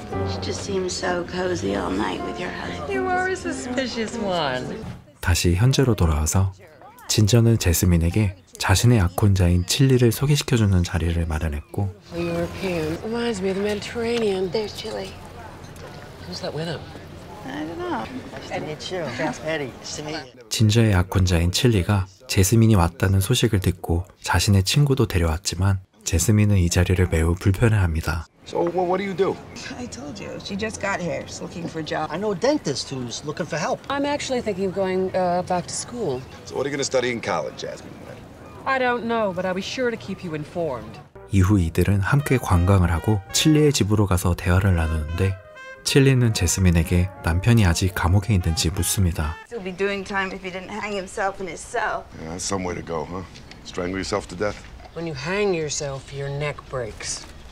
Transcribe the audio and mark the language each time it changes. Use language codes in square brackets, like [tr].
[en] She just seems so cozy all night with your husband. You are a suspicious one. [ko] 다시 현재로 돌아와서 진저는 제스민에게 자신의 약혼자인 칠리를 소개시켜주는 자리를 마련했고. [en] A European reminds me of the Mediterranean. There's Chile. Who's that with him? I don't know. [ko] 진저의 약혼자인 칠리가 제스민이 왔다는 소식을 듣고 자신의 친구도 데려왔지만 제스민은 이 자리를 매우 불편해합니다. [en] So well, what do you do? I told you she just got here. She's looking for a job. I know a dentist who's looking for help. I'm actually thinking of going back to school. So what are you going to study in college, Jasmine? I don't know, but I'll be sure to keep you informed. [ko] 이후 이들은 함께 관광을 하고 칠리의 집으로 가서 대화를 나누는데 칠리는 제스민에게 남편이 아직 감옥에 있는지 묻습니다. [en] He'll be doing time if he didn't hang himself in his cell. Yeah, that's some way to go, huh? Strangle yourself to death? When you hang yourself, your neck breaks.